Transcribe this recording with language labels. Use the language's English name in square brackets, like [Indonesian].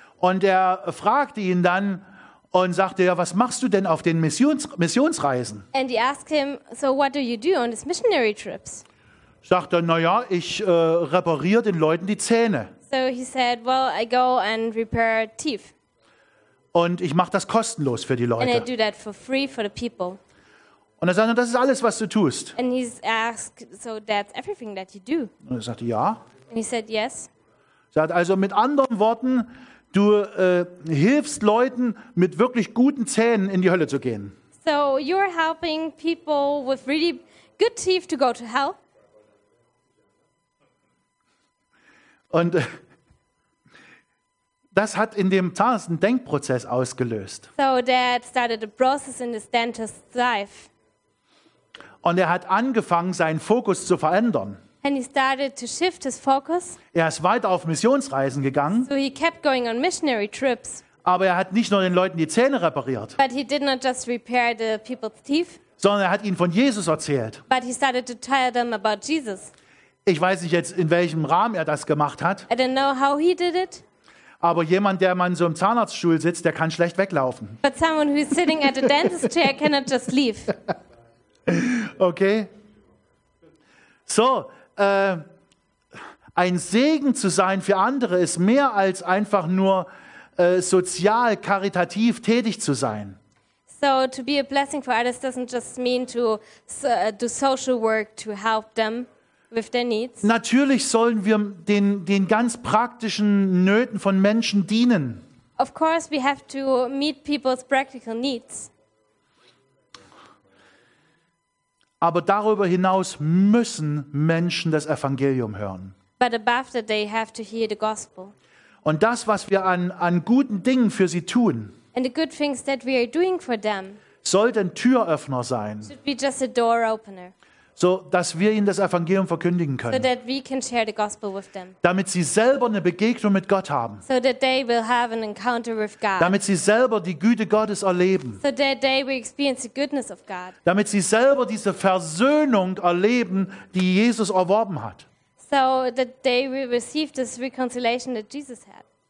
[German] Und er fragte ihn dann und sagte, ja, was machst du denn auf den Missionsreisen? [English] And he asked him, so what do you do on his missionary trips? [German] Sagte, na ja, ich repariere den Leuten die Zähne. [English] So he said, well, I go and repair teeth. [German] Und ich mache das kostenlos für die Leute. [English] And I do that for free for the people. [German] Und er sagte, das ist alles, was du tust. [English] And he asked, so that's everything that you do. [German] Und er sagte, ja. [English] And he said, yes. [German] Sagt also mit anderen Worten, du hilfst Leuten mit wirklich guten Zähnen in die Hölle zu gehen. [English] So you're helping people with really good teeth to go to hell. [German] Und das hat in dem Zahnarzt einen Denkprozess ausgelöst. [English] So that started a process in this dentist's life. [German] Und er hat angefangen, seinen Fokus zu verändern. [English] And he started to shift his focus. [German] Er ist weiter auf Missionsreisen gegangen. [English] So he kept going on missionary trips. [German] Aber er hat nicht nur den Leuten die Zähne repariert. [English] But he did not just repair the people's teeth. [German] Sondern er hat ihnen von Jesus erzählt. [English] But he started to tell them about Jesus. [German] Ich weiß nicht jetzt, in welchem Rahmen er das gemacht hat. [English] I don't know how he did it. [German] Aber jemand, der mal in so einem Zahnarztstuhl sitzt, der kann schlecht weglaufen. [English] But someone who is sitting at a dentist chair cannot just leave. Okay. So. [German] Ein Segen zu sein für andere ist mehr als einfach nur sozial karitativ tätig zu sein. [English] So to be a blessing for others doesn't just mean to do social work to help them with their needs. [German] Natürlich sollen wir den ganz praktischen Nöten von Menschen dienen. [English] Of course we have to meet people's practical needs. [German] Aber darüber hinaus müssen Menschen das Evangelium hören. [English] But above that they have to hear the gospel. [German] Und das, was wir an guten Dingen für sie tun, [English] and the good things that we are doing for them, [German] sollte ein Türöffner sein. [English] Should be just a door opener. [German] So dass wir ihnen das Evangelium verkündigen können. [English] So that we can share the gospel with them. [German] Damit sie selber eine Begegnung mit Gott haben. [English] So that they will have an encounter with God. [German] Damit sie selber die Güte Gottes erleben. [English] So that they will experience the goodness of God. [German] Damit sie selber diese Versöhnung erleben, die Jesus erworben hat. [English] So that they will receive this reconciliation that Jesus had.